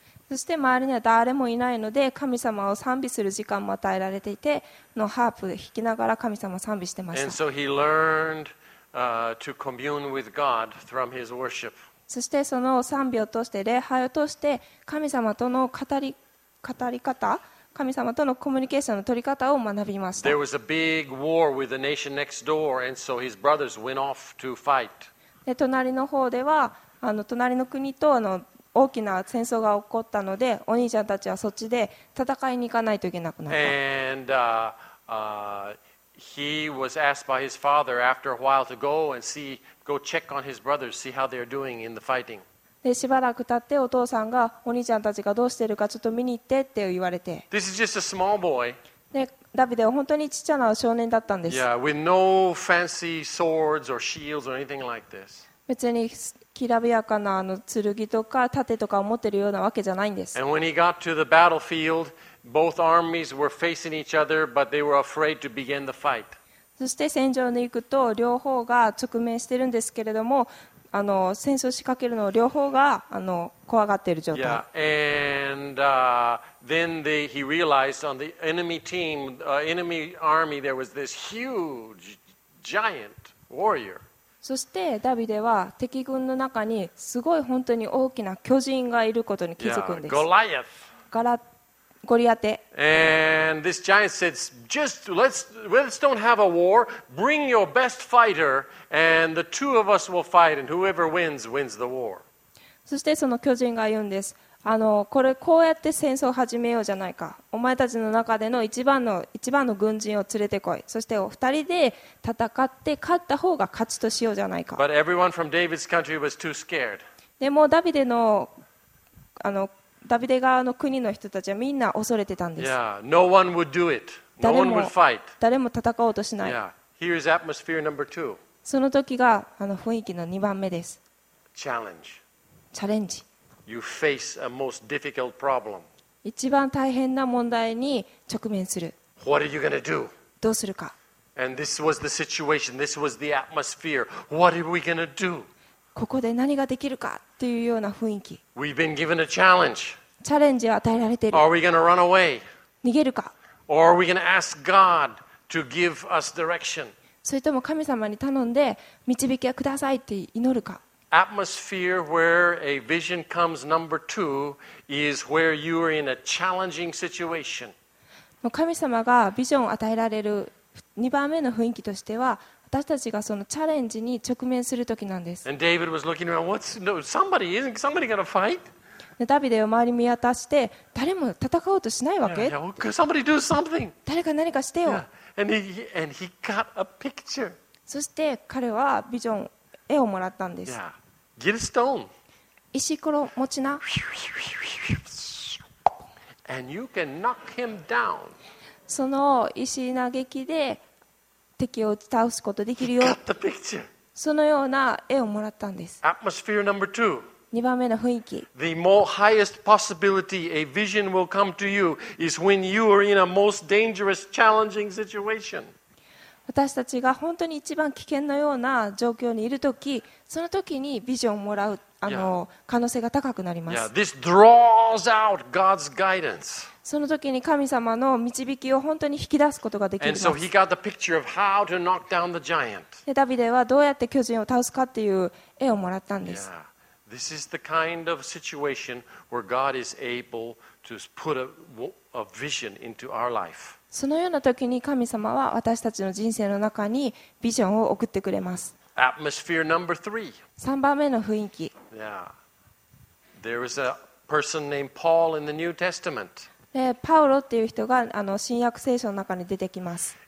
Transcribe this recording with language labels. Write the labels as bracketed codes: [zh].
[ja] そして周りには誰もいないので神様を賛美する時間も与えられていて、のハープを弾きながら神様を賛美してました。 [en] And so he learned, to commune with God from his worship. [ja] そしてその賛美を通して礼拝を通して神様との語り方、神様とのコミュニケーションの取り方を学びました。 [en] There was a big war with the nation next door, and so his brothers went off to fight. [ja] で隣の方では隣の国と大きな戦争が起こったので、お兄ちゃんたちはそっちで戦いに行かないといけなくなった。 [en] And, he was asked by his father after a while to go check on his brothers, see how they're doing in the fighting. [ja] でしばらく経ってお父さんがお兄ちゃんたちがどうしてるかちょっと見に行ってって言われて。 [en] This is just a small boy. [ja] でダビデは本当にちっちゃな少年だったんです。 [en] Yeah, with no fancy swords or shields or anything like this. [ja] 別にきらびやかな剣とか盾とかを持っているようなわけじゃないんです。 [en] And when he got to the battlefield, both armies were facing each other, but they were afraid to begin the fight. [ja] そして戦場に行くと両方が直面しているんですけれども、戦争仕掛けるのを両方が怖がっている状態。 Yeah. [en] And, then he realized on the enemy team, enemy army, there was this huge giant warrior. [ja] そしてダビデは敵軍の中にすごい本当に大きな巨人がいることに気づくんです。 [en] Goliath. [ja] ゴリアテ。 [en] And this giant says, "Just let's don't have a war. Bring your best fighter, and the two of us will fight. And whoever wins wins the war." [ja] そしてその巨人が言うんです。これこうやって戦争を始めようじゃないか。お前たちの中での一番の軍人を連れてこい。そしてお二人で戦って勝った方が勝ちとしようじゃないか。 [en] But everyone from David's country was too scared. [ja] でもダビデ側の国の人たちはみんな恐れてたんです。 [en] Yeah, no one would do it. No one would fight. [ja] 誰も戦おうとしない。 [en] Yeah, here's atmosphere number two. [ja] その時が雰囲気の2番目です。 [en] Challenge. [ja] チャレンジ。 [en] You face a most difficult problem. [ja] 一番大変な問題に直面する。 [en] What are you going to do? [ja] どうするか。 [en] And this was the situation. This was the atmosphere. What are we going to do? [ja] ここで何ができるかっていうような雰囲気。 [en] We've been given a challenge. [ja] チャレンジを与えられている。 [en] Are we going to run away? [ja] 逃げるか。 [en] Or are we going to ask God to give us direction? [ja] それとも神様に頼んで導きをくださいって祈るか。 [en] Atmosphere where a vision comes number two is where you are in a challenging situation. [ja] 神様がビジョンを与えられる2番目の雰囲気としては、私たちがそのチャレンジに直面する時なんです。 [en] And David was looking around. Isn't somebody going to fight? [ja] ダビデを周り見渡して、誰も戦おうとしないわけ。 [en] Somebody do something. [ja] 誰か何かしてよ。 [en] And he got a picture. [ja] そして彼はビジョン絵をもらったんです。 [en] Yeah. Get a stone. [ja] 石ころ持ちな。 [en] And you can knock him down. [ja] その石投げ機で敵を倒すことできるよ。 [en] Got the picture. [ja] そのような絵をもらったんです。 [en] Atmosphere number two. [ja] 二番目の雰囲気。 [en] The more highest possibility a vision will come to you is when you are in a most dangerous, challenging situation. [ja] 私たちが本当に一番危険のような状況にいるとき、そのときにビジョンをもらう可能性が高くなります。 Yeah. [en] This draws out God's guidance. [ja] そのときに神様の導きを本当に引き出すことができます。 [en] And so he got the picture of how to knock down the giant. [ja] で、ダビデはどうやって巨人を倒すかっていう絵をもらったんです。 Yeah. [en] This is the kind of situation where God is able to put a vision into our life. [ja] そのような時に神様は私たちの人生の中にビジョンを送ってくれます。 [en] Atmosphere number three. [ja] 三番目の雰囲気。 Yeah. [en] There is a person named Paul in the New Testament. [ja] パウロっていう人が新約聖書の中に出てきます。